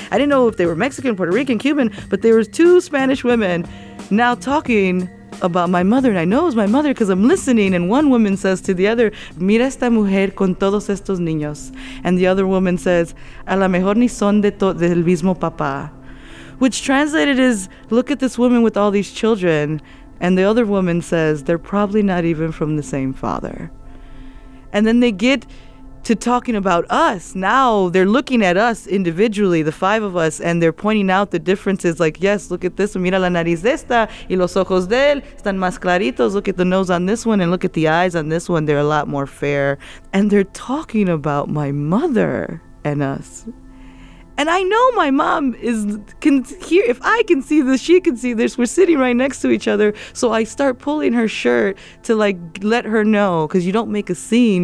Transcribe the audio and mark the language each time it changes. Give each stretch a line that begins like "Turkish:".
English: I didn't know if they were Mexican, Puerto Rican, Cuban, but there was two Spanish women now talking about my mother, and I know it was my mother because I'm listening, and one woman says to the other,
Spanish: mira esta mujer con todos estos niños,
English: and the other woman says,
Spanish: a la mejor ni son de del mismo papá,
English: which translated is, look at this woman with all these children, and the other woman says, they're probably not even from the same father. And then they get to talking about us. Now they're looking at us individually, the five of us, and they're pointing out the differences, like, yes, look at this one.
Spanish: Mira la nariz de esta y los ojos de él están más claritos.
English: Look at the nose on this one and look at the eyes on this one. They're a lot more fair. And they're talking about my mother and us. And I know my mom can hear, if I can see this, she can see this. We're sitting right next to each other. So I start pulling her shirt to like let her know, because you don't make a scene.